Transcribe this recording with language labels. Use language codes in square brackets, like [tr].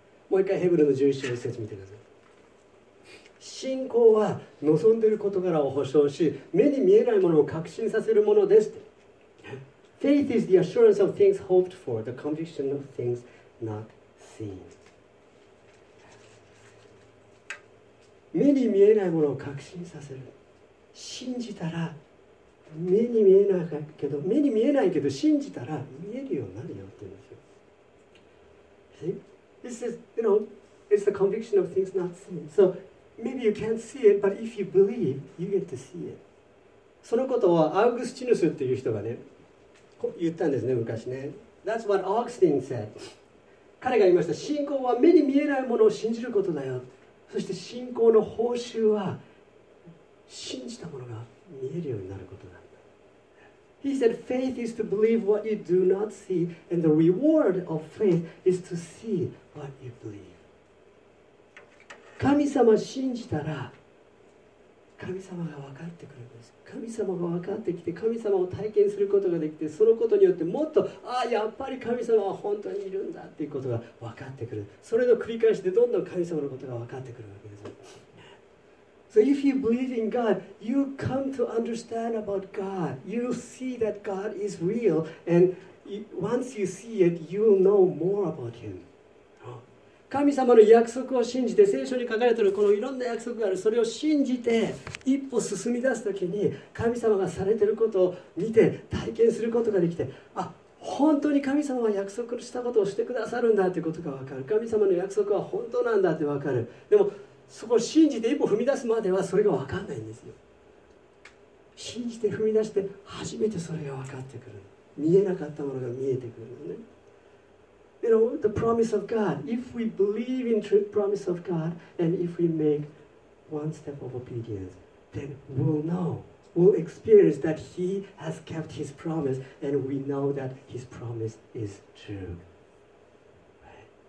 [ja] もう一回ヘブルの11章の説見てください。信仰は望んでいる事柄を保証し、目に見えないものを確信させるものですって。 [en] Faith is the assurance of things hoped for, the conviction of things not seen. [ja] 目に見えないものを確信させる。信じたら、目に見えないけど、目に見えないけど信じたら見えるようになるよって言うんですよ。 [en] This is, you know, it's the conviction of things not seen. So,Maybe you can't see it, but if you believe, you get to see it. [ja] そのことをアウグスチヌスっていう人がね、言ったんですね、昔ね。 [en] That's what Augustine said. [ja] 彼が言いました、信仰は目に見えないものを信じることだよ。そして信仰の報酬は、信じたものが見えるようになることなんだ。 [en] He said, faith is to believe what you do not see, and the reward of faith is to see what you believe. [ja] 神様信じたら神様が分かってくるんです。神様が分かってきて、神様を体験することができて、そのことによってもっと、ああやっぱり神様は本当にいるんだっていうことが分かってくる。それの繰り返しでどんどん神様のことが分かってくるわけです。 [en] So if you believe in God, you come to understand about God. You see that God is real, and once you see it, you'll know more about him. [ja] 神様の約束を信じて、聖書に書かれているこのいろんな約束がある、それを信じて一歩進み出すときに、神様がされていることを見て体験することができて、あ、本当に神様は約束したことをしてくださるんだということが分かる。神様の約束は本当なんだって分かる。でもそこを信じて一歩踏み出すまではそれが分かんないんですよ。信じて踏み出して初めてそれが分かってくる。見えなかったものが見えてくるのね。 [en] You know, the promise of God, if we believe in the promise of God, and if we make one step of obedience, then we'll know, we'll experience that He has kept His promise, and we know that His promise is true. Right?